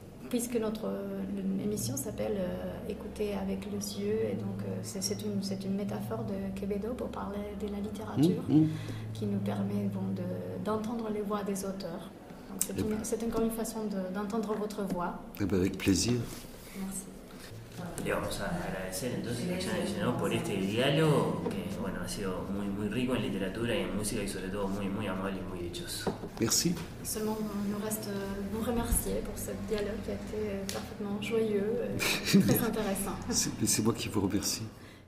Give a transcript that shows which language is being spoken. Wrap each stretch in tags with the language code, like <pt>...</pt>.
<fr>Puisque notre émission s'appelle Écouter avec les yeux, et donc c'est une métaphore de Quevedo pour parler de la littérature qui nous permet d'entendre les voix des auteurs. Donc c'est encore une façon d'entendre votre voix. Et bien avec plaisir. Merci.</fr> <es>Le vamos a agradecer entonces a Jeanne Genoz por este diálogo que bueno, ha sido muy muy rico en literatura y en música y sobre todo muy muy amable y muy dichoso.</es> <fr>Merci. Seulement nous reste vous remercier pour ce dialogue qui a été parfaitement joyeux et très intéressant. C'est moi qui vous remercie.</fr>